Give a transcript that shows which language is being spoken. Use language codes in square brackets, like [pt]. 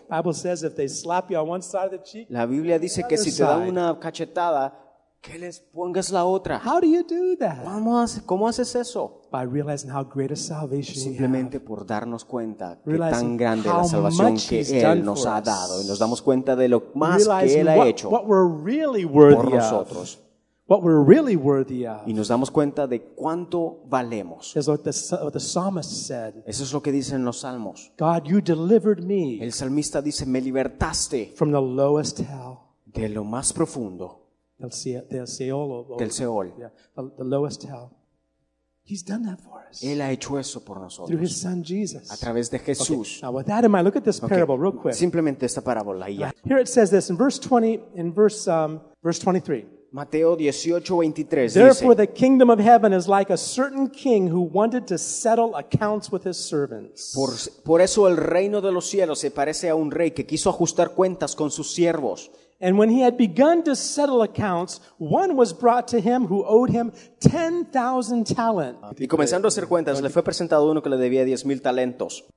[en] Bible says, if they slap you on one side of the cheek, [es] la Biblia dice que si te dan una cachetada, que les pongas la otra. [en] How do you do that? [es] ¿Cómo haces eso? [en] By realizing how great a salvation [es] simplemente [en] we have. [es] Por darnos cuenta que tan grande la salvación que Él nos ha dado y nos damos cuenta de lo más [en] realizing [es] que Él ha hecho [en] what we're really worthy [es] por nosotros [en] of. What we're really worthy of. [es] Y nos damos cuenta de cuánto valemos. [en] Is what the psalmist said. [es] Eso es lo que dicen los salmos. [en] God, you delivered me. [es] El salmista dice, me libertaste [en] from the lowest hell. [es] De lo más profundo del Seol. Del Seol. [en] Yeah, the lowest hell. He's done that for us. [es] Él ha hecho eso por nosotros. [en] Through his son Jesus. [es] A través de Jesús. [en] Okay. Now with that in mind, look at this parable real quick. [es] Simplemente esta parábola. [en] Here it says this in verse 23. [es] Mateo 18:23 dice. [en] Therefore the kingdom of heaven is like a certain king who wanted to settle accounts with his servants. [es] Por eso el reino de los cielos se parece a un rey que quiso ajustar cuentas con sus siervos. [en] And when he had begun to settle accounts, one was brought to him who owed him 10,000 talents. [es] Y comenzando a hacer cuentas, le fue presentado uno que le debía 10,000 talentos.